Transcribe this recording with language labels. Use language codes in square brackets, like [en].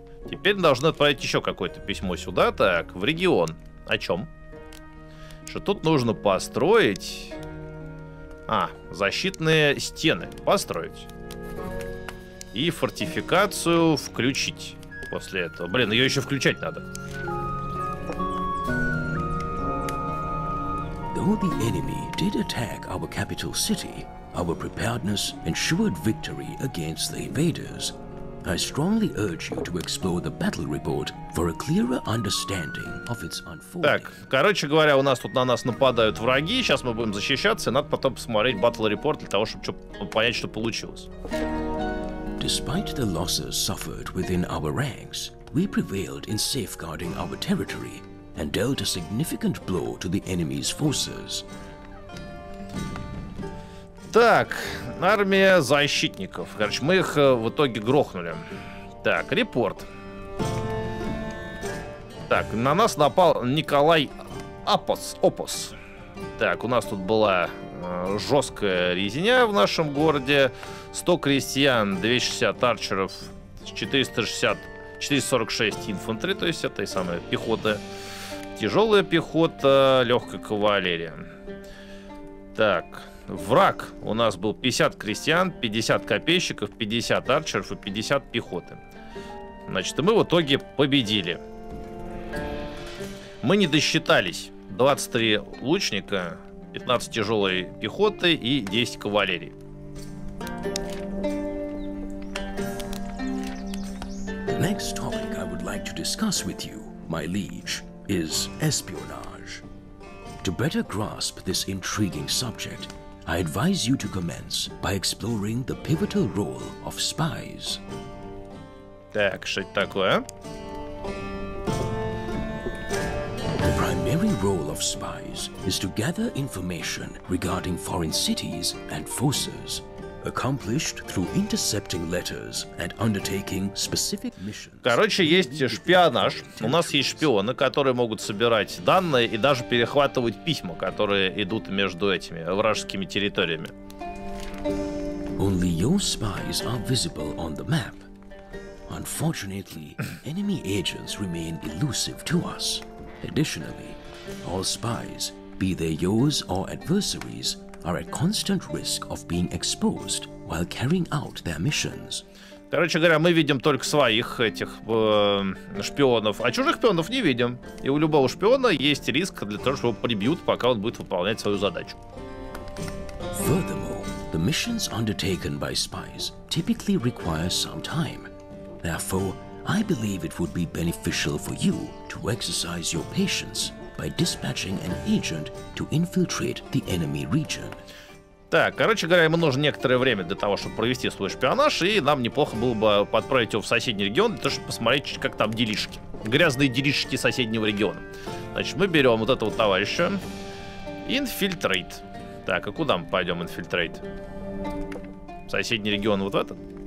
[ru] Теперь должны отправить еще какое-то письмо сюда. Так, в регион. О чем? Что тут нужно построить... А, защитные стены. Построить. И фортификацию включить после этого. Блин, ее еще включать надо. [en] Though the enemy did attack our capital city, our preparedness ensured victory against the invaders. I strongly urge you to explore the battle report for a clearer understanding of its unfolding. [ru] Так, короче говоря, у нас тут на нас нападают враги, сейчас мы будем защищаться, и надо потом посмотреть battle report для того, чтобы понять, что получилось. [en] Despite the losses suffered within our ranks, we prevailed in safeguarding our territory. And dealt a significant blow to the enemy's forces. [ru] Так, армия защитников. Короче, мы их в итоге грохнули. Так, репорт. Так, на нас напал Николай Опос. Так, у нас тут была жесткая резня в нашем городе. 100 крестьян, 260 арчеров, 446 инфантри, то есть этой самой пехоты. Тяжелая пехота, легкая кавалерия. Так, враг у нас был 50 крестьян, 50 копейщиков, 50 арчеров и 50 пехоты. Значит, и мы в итоге победили. Мы не досчитались. 23 лучника, 15 тяжелой пехоты и 10 кавалерий. [en] Next topic I would like to discuss with you, my liege. Is espionage. To better grasp this intriguing subject, I advise you to commence by exploring the pivotal role of spies. [ru] Так, что это такое? [en] The primary role of spies is to gather information regarding foreign cities and forces, accomplished through intercepting letters and undertaking specific missions. [ru] Короче, есть шпионаж. У нас есть шпионы, которые могут собирать данные и даже перехватывать письма, которые идут между этими вражескими территориями. [en] Only your spies are visible on the map. Unfortunately, enemy agents remain elusive to us. Additionally, all spies, be they yours or adversaries, are at constant risk of being exposed while carrying out their missions. [ru] Короче говоря, мы видим только своих этих шпионов, а чужих шпионов не видим. И у любого шпиона есть риск для того, что его прибьют, пока он будет выполнять свою задачу. [en] Furthermore, the missions undertaken by spies typically require some time. Therefore, I believe it would be beneficial for you to exercise your patience by dispatching an agent to infiltrate the enemy region. [ru] Так, короче говоря, ему нужно некоторое время для того, чтобы провести свой шпионаж, и нам неплохо было бы отправить его в соседний регион, для того, чтобы посмотреть, как там делишки. Грязные делишки соседнего региона. Значит, мы берем вот этого товарища. Инфильтрейт. Так, а куда мы пойдем, инфильтрейт? В соседний регион вот этот?